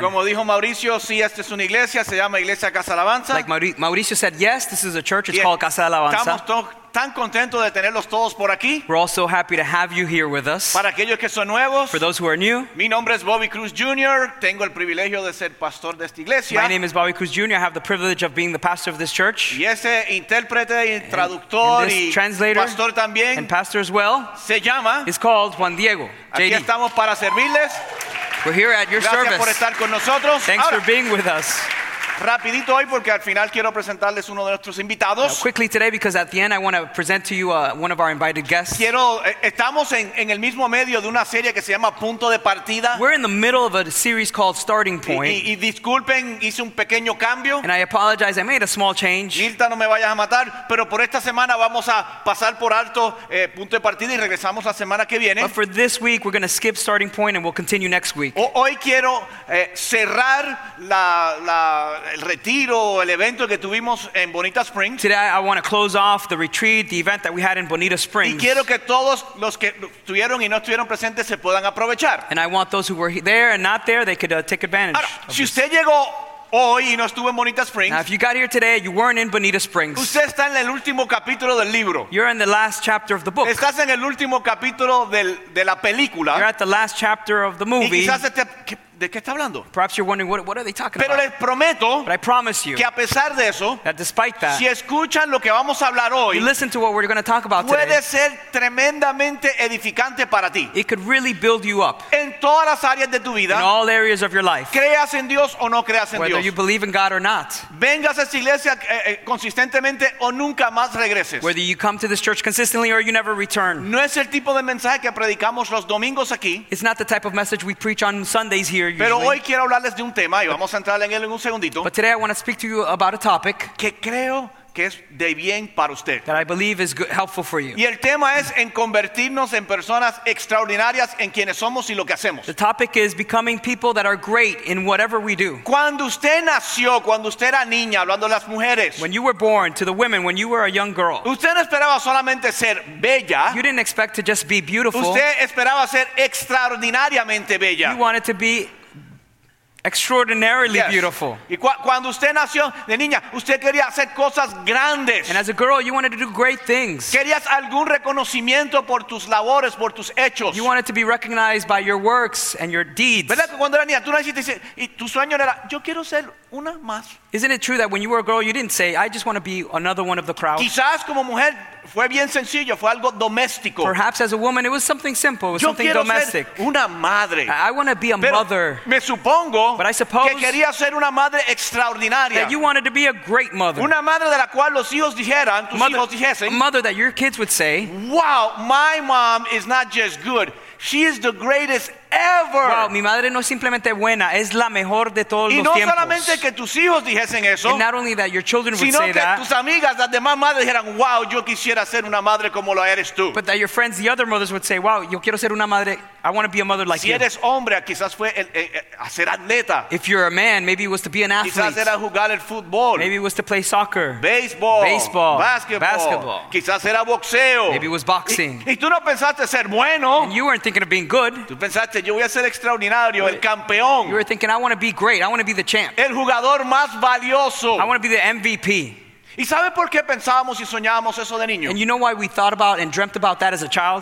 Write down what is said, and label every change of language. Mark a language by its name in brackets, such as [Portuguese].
[Spanish] Como dijo Mauricio, sí, esta es una iglesia, se llama Iglesia Casa Alabanza. [English] Like Mauricio said, yes, this is a church, it's called Casa Alabanza. [Spanish] Estamos tan contentos de tenerlos todos por aquí. [English] We're all so happy to have you here with us. [Spanish] Para aquellos que son nuevos, [English] for those who are new, [Spanish] mi nombre es Bobby Cruz Jr., tengo el privilegio de ser pastor de esta iglesia. [English] My name is Bobby Cruz Jr., I have the privilege of being the pastor of this church. [Spanish] Y ese intérprete y traductor y [English] translator, [Spanish] pastor también, [English] and pastor as well, [Spanish] se llama, [English] is called Juan Diego, [Spanish] JD. Aquí estamos para servirles. [English] We're here at your [Spanish] Gracias [English] service. [Spanish] Por estar con nosotros. [English] Thanks [Spanish] Ahora. [English] For being with us. [Spanish] Rapidito hoy porque al final quiero presentarles uno de nuestros invitados. [English] Now, quickly today because at the end I want to present to you one of our invited guests. [Spanish] Quiero estamos en el mismo medio de una serie que se llama Punto de Partida. [English] We're in the middle of a series called Starting Point. [Spanish] Y disculpen, hice un pequeño cambio. [English] And I apologize, I made a small change. [Spanish] Milta, no me vayas a matar, pero por esta semana vamos a pasar por alto Punto de Partida y regresamos la semana que viene. [English] But for this week we're going to skip Starting Point and we'll continue next week. [Spanish] Hoy quiero cerrar el retiro, el evento que tuvimos en Bonita Springs. [English] Today I want to close off the retreat, the event that we had in Bonita Springs. [Spanish] Y quiero que todos los que estuvieron y no estuvieron presentes se puedan aprovechar. [English] And I want those who were there and not there, they could take advantage. [Spanish] Ahora, si usted llegó hoy y no estuvo en Bonita Springs, [English] now, if you got here today, you weren't in Bonita Springs. [Spanish] Usted está en el último capítulo del libro. [English] You're in the last chapter of the book. [Spanish] Estás en el último capítulo de la película. [English] You're at the last chapter of the movie. [Spanish] Y quizás ¿de qué está hablando? [English] Perhaps you're wondering what are they talking [Spanish] Pero [English] about? [Spanish] Les prometo, [English] but I promise you, [Spanish] que a pesar de eso, [English] that despite that, [Spanish] si escuchan lo que vamos a hablar hoy, [English] you listen to what we're going to talk about [Spanish] puede [English] today, [Spanish] ser tremendamente edificante para ti. [English] It could really build you up [Spanish] en todas las áreas de tu vida, [English] in all areas of your life, [Spanish] creas en Dios o no creas en [English] whether [Spanish] Dios, [English] you believe in God or not, [Spanish] vengas a esta iglesia consistentemente o nunca más regreses, [English] whether you come to this church consistently or you never return. [Spanish] No es el tipo de mensaje que predicamos los domingos aquí. [English] It's not the type of message we preach on Sundays here. [Spanish] Pero hoy quiero hablarles de un tema y vamos a entrar en él en un segundito. [English] But today I want to speak to you about a topic [Spanish] que creo que es de bien para usted. [English] That I believe is helpful for you. [Spanish] Y el tema es en convertirnos en personas extraordinarias en quienes somos y lo que hacemos. [English] The topic is becoming people that are great in whatever we do. [Spanish] Cuando usted nació, cuando usted era niña, hablando de las mujeres, [English] when you were born, to the women, when you were a young girl, [Spanish] usted no esperaba solamente ser bella. [English] You didn't expect to just be beautiful. [Spanish] Usted esperaba ser extraordinariamente bella. [English] You wanted to be extraordinarily yes. beautiful. [Spanish] Y cuando usted nació de niña, usted quería hacer cosas grandes. [English] And as a girl, you wanted to do great things. [Spanish] Querías algún reconocimiento por tus labores, por tus hechos. [English] You wanted to be recognized by your works and your deeds. [Spanish] ¿Verdad que cuando era niña, tú naciste y tu sueño era, yo quiero ser una más? [English] Isn't it true that when you were a girl, you didn't say, I just want to be another one of the crowd? [Spanish] Quizás como mujer, fue bien sencillo, fue algo doméstico. [English] Perhaps as a woman, it was something simple, it was [Spanish] Yo [English] something domestic. [Spanish] Ser una madre. [English] I want to be a [Spanish] Pero [English] mother. [Spanish] Me supongo [English] But I suppose [Spanish] que quería ser una madre extraordinaria. [English] That you wanted to be a great mother. [Spanish] Una madre de la cual los hijos dijeran, tus mother, hijos dijesen, [English] a mother that your kids would say, wow, my mom is not just good, she is the greatest ever. [Spanish] Wow, mi madre no es simplemente buena, es la mejor de todos y los no tiempos. Y no solamente que tus hijos dijesen eso, [English] and not only that your children would say [Spanish] sino que [English] that, [Spanish] tus amigas, las demás madres dijeran, wow, yo quisiera ser una madre como lo eres tú. [English] But that your friends, the other mothers would say, wow, [Spanish] yo quiero ser una madre, [English] I want to be a mother like [Spanish] si [English] you. [Spanish] Si eres hombre, quizás fue hacer atleta. [English] If you're a man, maybe it was to be an athlete. [Spanish] Quizás era jugar el fútbol. [English] Maybe it was to play soccer. Baseball. Basketball. [Spanish] Quizás era boxeo. [English] Maybe it was boxing. [Spanish] Y tú no pensaste ser bueno. [English] And you weren't thinking of being good. [Spanish] Tú pensaste yo voy a ser extraordinario, el campeón. [English] You were thinking, I want to be great. I want to be the champ. [Spanish] El jugador más valioso. [English] I want to be the MVP. [Spanish] ¿Y sabe por qué pensábamos y soñábamos eso de niño? [English] And you know why we thought about and dreamt about that as a child?